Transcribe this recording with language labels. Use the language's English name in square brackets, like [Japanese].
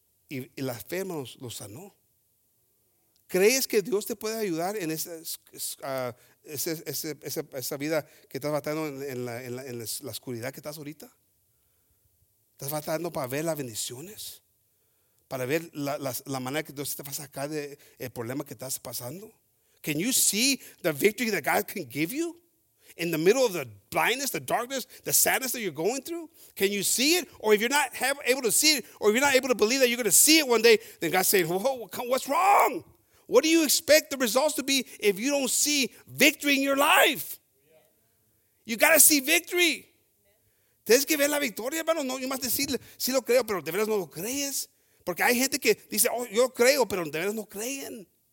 [Spanish] Y la fe, hermanos, lo sanó. ¿Crees que Dios te puede ayudar en esa vida que estás batallando en la oscuridad que estás ahorita? ¿Estás batallando para ver las bendiciones? ¿Para ver la manera que Dios te va a sacar del problema que estás pasando? [English] Can you see the victory that God can give you in the middle of the blindness, the darkness, the sadness that you're going through? Can you see it? Or if you're not able to see it, or if you're not able to believe that you're going to see it one day, then God's saying, whoa, what's wrong? What do you expect the results to be if you don't see victory in your life? You got to see victory. [Spanish] Tienes que ver la victoria, hermano. No, yo más decir, sí lo creo, pero de veras no lo crees. Porque hay gente que dice, oh, yo creo, pero de veras no creen.